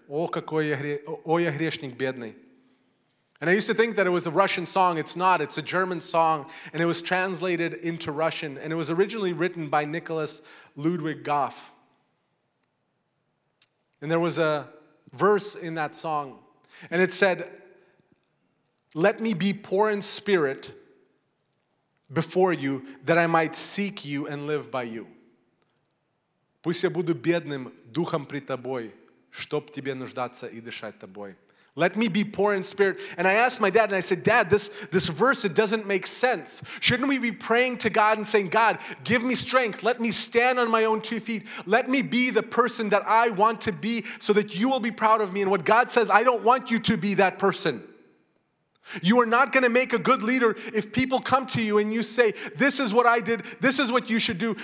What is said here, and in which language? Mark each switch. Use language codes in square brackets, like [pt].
[ru] Oh, какой я грешник бедный." [en] And I used to think that it was a Russian song. It's not. It's a German song. And it was translated into Russian. And it was originally written by Nicholas Ludwig Goff. And there was a verse in that song. And it said, "Let me be poor in spirit before you, that I might seek you and live by you. [ru] Пусть я буду бедным духом при тобой, чтоб тебе нуждаться и дышать тобой." [en] Let me be poor in spirit. And I asked my dad, and I said, "Dad, this verse, it doesn't make sense. Shouldn't we be praying to God and saying, God, give me strength. Let me stand on my own two feet. Let me be the person that I want to be so that you will be proud of me." And what God says, I don't want you to be that person. You are not going to make a good leader if people come to you and you say, "This is what I did. This is what you should do.